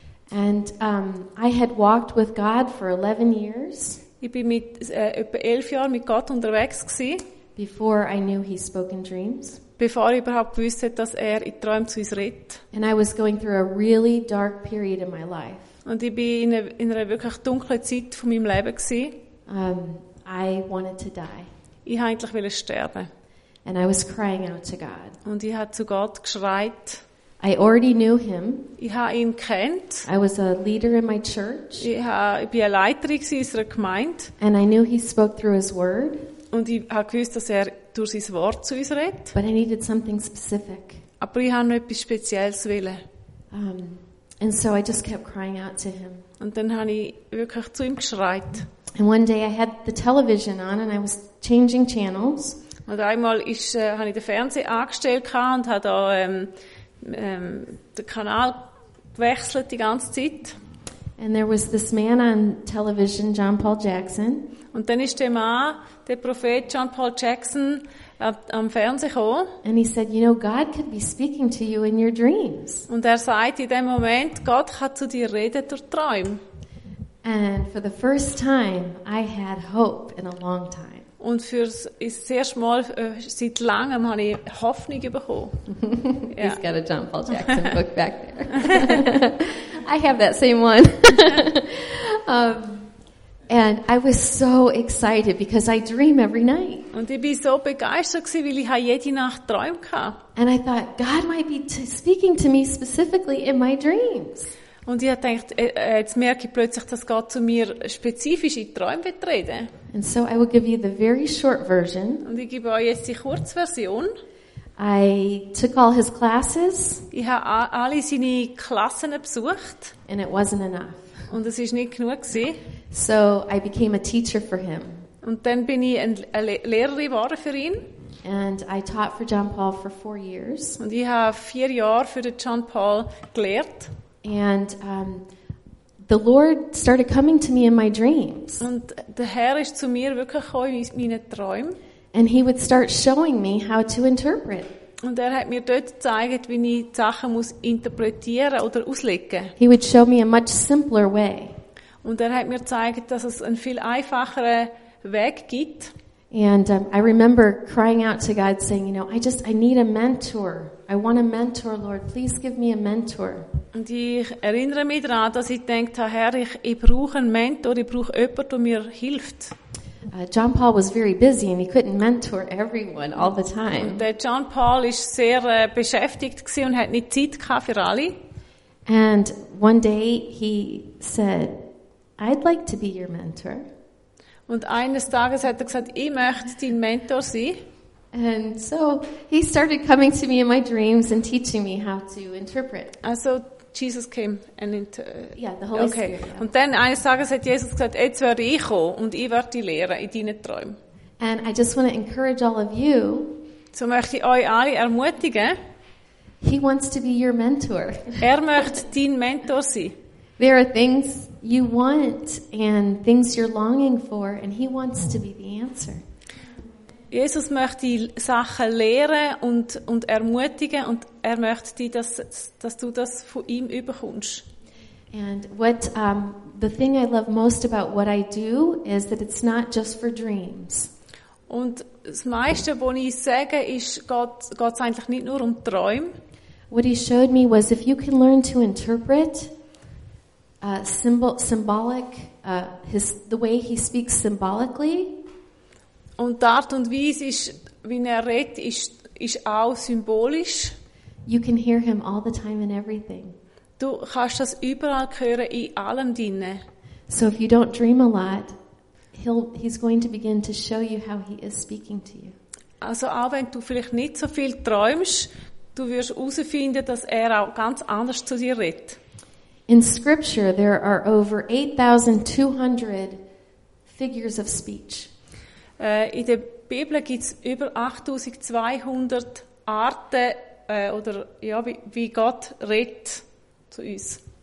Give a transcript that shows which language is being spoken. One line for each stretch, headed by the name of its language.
English: And I had walked with God for 11 years.
German: Ich bin mit etwa 11 Jahren mit Gott unterwegs gsi.
English: Before I knew He spoke in dreams.
German: Bevor ich überhaupt gewusst hätte, dass er in Träumen zu uns redet.
English: And I was going through a really dark period in my life.
German: Und ich bin in einer wirklich dunklen Zeit von meinem Leben gsi.
English: I wanted to die.
German: Ich wollte eigentlich sterben.
English: And I was crying out to God.
German: Und ich habe zu Gott geschreit.
English: I already knew him.
German: Ich habe ihn kennt.
English: I was a leader in my church.
German: Ich bin eine Leiterin in unserer Gemeinde.
English: And I knew he spoke through his word.
German: Und ich habe gewusst, dass er durch sein Wort zu uns redet.
English: But I needed something specific.
German: Aber ich habe noch etwas Spezielles willen.
English: And so I just kept crying out to him.
German: Und dann habe ich wirklich zu ihm geschreit.
English: And one day I had the television on and I was changing channels.
German: Und einmal habe ich den Fernseher angestellt und habe da den Kanal gewechselt die ganze Zeit.
English: And there was this man on television, John Paul Jackson.
German: Und dann ist der Mann, der Prophet John Paul Jackson, am Fernsehen gekommen.
English: And he said, you know, God could be speaking to you in your dreams.
German: Und er sagt in dem Moment, Gott hat zu dir reden durch Träume.
English: And for the first time, I had hope in a long time.
German: Und fürs erste Mal seit langem habe ich Hoffnung bekommen.
English: He's got a John Paul Jackson book back there. I have that same one. And I was so excited because I dream every night.
German: Und ich bin so begeistert gewesen, weil ich habe jede Nacht Träume gehabt.
English: And I thought God might be speaking to me specifically in my dreams.
German: Und ich dachte, jetzt merke ich plötzlich, dass Gott zu mir spezifisch in Träumen wird reden.
English: And so I will give you the very short version.
German: Und ich gebe euch jetzt die Kurzversion.
English: I took all his classes.
German: Ich habe alle seine Klassen besucht.
English: And it wasn't enough.
German: Und es ist nicht genug gewesen.
English: So I became a teacher for him.
German: Und dann bin ich eine Lehrerin geworden für ihn.
English: And I taught for John Paul for 4 years.
German: Und ich habe 4 Jahre für den John Paul gelehrt.
English: And the Lord started coming to me in my dreams.
German: Und der Herr ist zu mir wirklich gekommen in meinen Träumen.
English: And he would start showing me how to interpret.
German: Und er hat mir dort gezeigt, wie ich Sachen muss interpretieren oder auslegen.
English: He would show me a much simpler way.
German: Und er hat mir gezeigt, dass es einen viel einfacheren Weg gibt.
English: And I remember crying out to God, saying, you know, I need a mentor. I want a mentor, Lord. Please give me a mentor.
German: Und ich erinnere mich daran, dass ich dachte, Herr, ich brauche einen Mentor. Ich brauche jemanden, der mir hilft.
English: John Paul was very busy and he couldn't mentor everyone all the time.
German: Und der John Paul ist sehr beschäftigt gsi und hat nicht Zeit gehabt für alle.
English: And one day he said, I'd like to be your mentor.
German: Und eines Tages hat er gesagt, ich möchte dein Mentor sein.
English: And so he started coming to me in my dreams and teaching me how to interpret. Also Jesus came and the Holy Spirit. Yeah.
German: Und dann eines Tages hat Jesus gesagt, jetzt werde ich kommen und ich werde dich lehren in deinen Träumen.
English: And I just want to encourage all of you.
German: So möchte ich euch alle ermutigen.
English: He wants to be your mentor.
German: Er möchte dein Mentor sein.
English: There are things you want and things you're longing for, and he wants to be the answer.
German: Jesus möchte die Sachen lehren und ermutigen und er möchte dich, dass du das von ihm überkommst.
English: And what the thing I love most about what I do is that it's not just for dreams.
German: Und das meiste, was ich sage, ist, geht es eigentlich nicht nur um Träume.
English: What he showed me was, if you can learn to interpret symbolic the way he speaks symbolically.
German: Und die Art und Weise, wie er redet, ist auch symbolisch.
English: You can hear him all the time in everything.
German: Du kannst das überall hören, in allem drinnen.
English: So if you don't dream a lot, he's going to begin to show you how he is speaking to you.
German: Also auch wenn du vielleicht nicht so viel träumst, du wirst herausfinden, dass er auch ganz anders zu dir redet.
English: In Scripture there are over 8,200 figures of speech.
German: In der Bibel gibt es über 8,200 Arten, wie Gott redet zu uns.